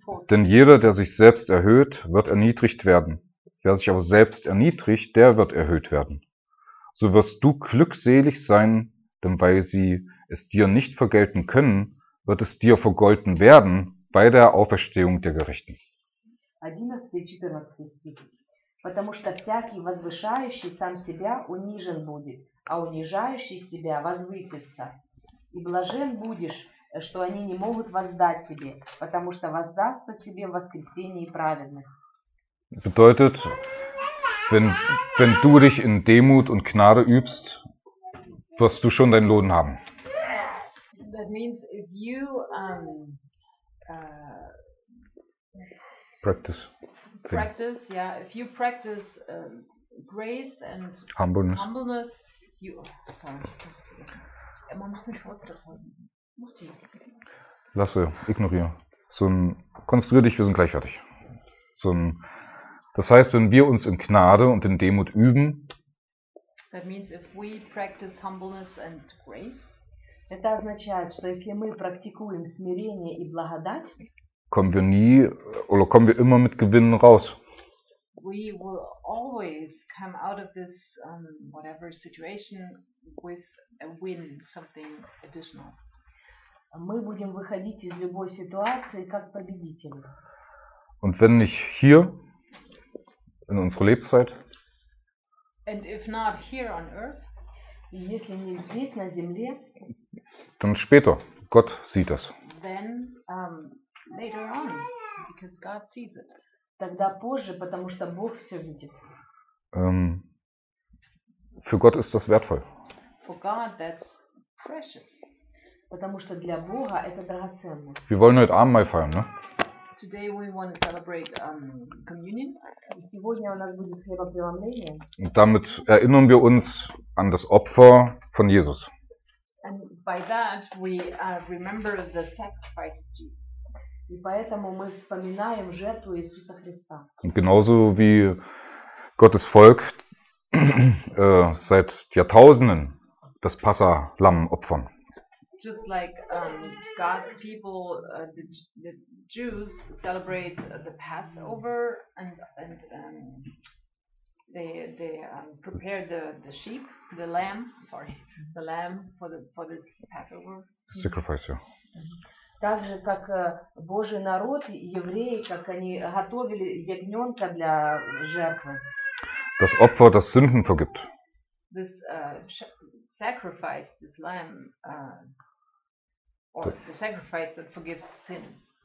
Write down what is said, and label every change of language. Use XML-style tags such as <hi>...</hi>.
<de>Denn jeder, der sich selbst erhöht, wird erniedrigt werden. Wer sich aber selbst erniedrigt, der wird erhöht werden. So wirst du glückselig sein, denn weil sie es dir nicht vergelten können, wird es dir vergolten werden bei der Auferstehung der Gerechten.</de> <ru>11-14 стих. Потому что всякий возвышающий сам себя унижен будет, а унижающий себя возвысится. И блажен будешь, что они не могут воздать тебе, потому что воздастся тебе в воскресении праведных.</ru> <de>Bedeutet, wenn du dich in Demut und Gnade übst, wirst du schon deinen Lohn haben.</de> <en>That means if you practice, yeah, if you practice grace and humbleness, you sorry.</en> <de>Man muss mich vorstellen. Lasse, ignoriere. So ein, konzentrier dich, wir sind gleich fertig. So ein, das heißt, wenn wir uns in Gnade und in Demut üben,</de> <en>that means if we practice humbleness and grace,</en> <ru>это означает, что если мы практикуем смирение и благодать,</ru> <de>kommen wir nie oder kommen wir immer mit Gewinn raus.</de> <en>We will always come out of this whatever situation with a win, something additional.</en> <ru>Мы будем выходить из любой ситуации как победители.</ru> <de>Und wenn nicht hier in unserer Lebenszeit,</de> <en>and if not here on earth,</en> <ru>если не здесь на земле,</ru> <de>dann später. Gott sieht das.</de> <en>Then, later on, because God sees it.</en> <ru>Тогда позже, потому что Бог все видит.</ru> <de>Für Gott ist das wertvoll.</de> <en>For God, that's precious.</en> <ru>Потому что для Бога это драгоценно.</ru> <de>Wir wollen heute Abend mal feiern, ne?</de> <en>Today we want to celebrate communion.</en> <ru>Сегодня у нас будет хлебопреломление.</ru> <de>Und damit erinnern wir uns an das Opfer von Jesus.</de> <en>And by that we remember the sacrifice of Jesus.</en> <ru>И поэтому мы вспоминаем жертву Иисуса Христа.</ru> <de>Und genauso wie Gottes Volk seit Jahrtausenden das Passahlamm opfern.</de> <en>Just like God's people, the Jews celebrate the Passover and they prepare the sheep, the lamb, sorry, the lamb for the Passover. Sacrifice, yeah.</en> <ru>Также как Божий народ, евреи, как они готовили ягненка для жертвы.</ru> <de>Das Opfer, das Sünden vergibt.</de> <en>This sacrifice, this lamb. Or the sacrifice that forgives sin.</en>